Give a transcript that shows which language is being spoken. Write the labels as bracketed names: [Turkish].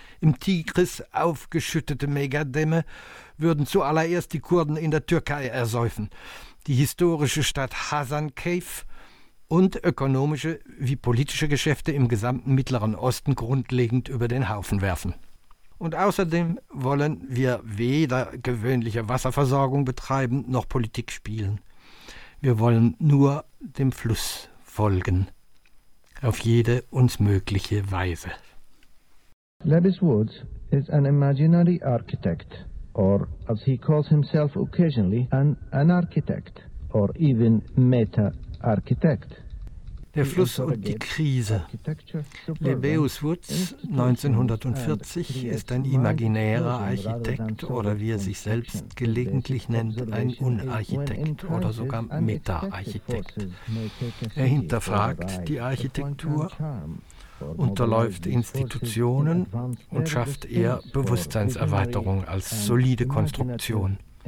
[German] Im Tigris aufgeschüttete Megadämme würden zuallererst die Kurden in der Türkei ersäufen, die historische Stadt Hasankeyf und ökonomische wie politische Geschäfte im gesamten Mittleren Osten grundlegend über den Haufen werfen. Und außerdem wollen wir weder gewöhnliche Wasserversorgung betreiben noch Politik spielen. Wir wollen nur dem Fluss folgen, auf jede uns mögliche Weise. [English] Lewis Woods is an imaginary architect, or as he calls himself occasionally, an architect, or even meta-architect. [German] Der Fluss und die Krise. Lebeus Woods, 1940, ist ein imaginärer Architekt oder wie er sich selbst gelegentlich nennt, ein Unarchitekt oder sogar Meta-Architekt. Er hinterfragt die Architektur, unterläuft Institutionen und schafft eher Bewusstseinserweiterung als solide Konstruktion.